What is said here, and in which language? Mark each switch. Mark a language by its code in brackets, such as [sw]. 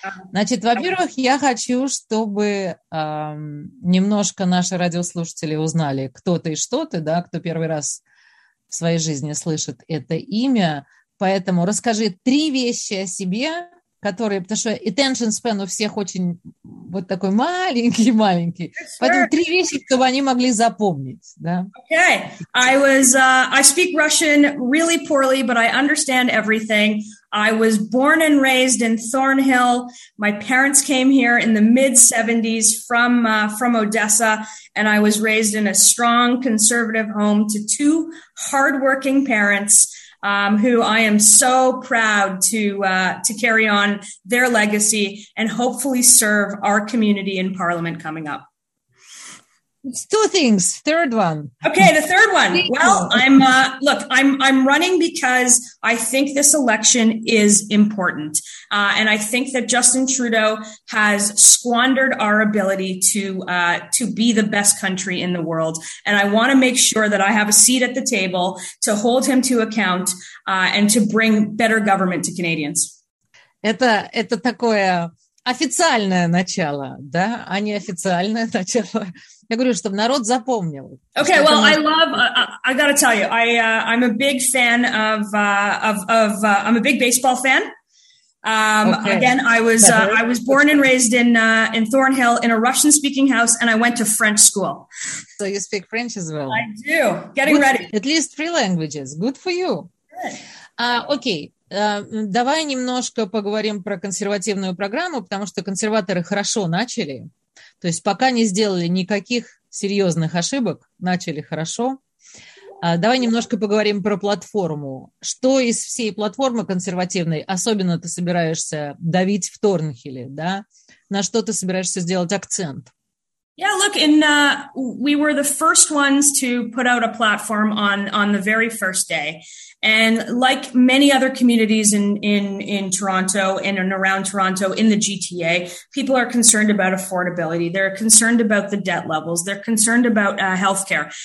[ru] Значит, во-первых, я хочу, чтобы немножко наши радиослушатели узнали, кто ты и что ты, да, кто первый раз в своей жизни слышит это имя. Поэтому расскажи три вещи о себе, которые, потому что [en] attention span [ru] у всех очень вот такой маленький-маленький. [en] Sure. [ru] Поэтому три вещи, чтобы они могли запомнить, да. [en] Okay, I speak Russian really poorly, but I understand everything. I was born and raised in Thornhill. My parents came here in the mid-70s from Odessa, and I was raised in a strong conservative home to two hardworking parents who I am so proud to carry on their legacy and hopefully serve our community in Parliament coming up. It's two things. Third one. Okay, the third one. Well, I'm running because I think this election is important. And I think that Justin Trudeau has squandered our ability to be the best country in the world. And I want to make sure that I have a seat at the table to hold him to account and to bring better government to Canadians. [ru] Это такое официальное начало, да, а не официальное начало. Я говорю, чтобы народ запомнил. [en] Okay, well, [ru] это... [en] I gotta tell you, I'm a big fan of I'm a big baseball fan. Okay. Again, I was born and raised in Thornhill in a Russian speaking house, and I went to French school. So you speak French as well. I do. Getting good, ready. At least three languages. Good for you. Okay. [ru] Давай немножко поговорим про консервативную программу, потому что консерваторы хорошо начали. То есть пока не сделали никаких серьезных ошибок, начали хорошо. Давай немножко поговорим про платформу. Что из всей платформы консервативной особенно ты собираешься давить в Торнхилле, да? На что ты собираешься сделать акцент? [en] Yeah, look, we were the first ones to put out a platform on the very first day. And like many other communities in Toronto and around Toronto in the GTA, people are concerned about affordability. They're concerned about the debt levels. They're concerned about healthcare.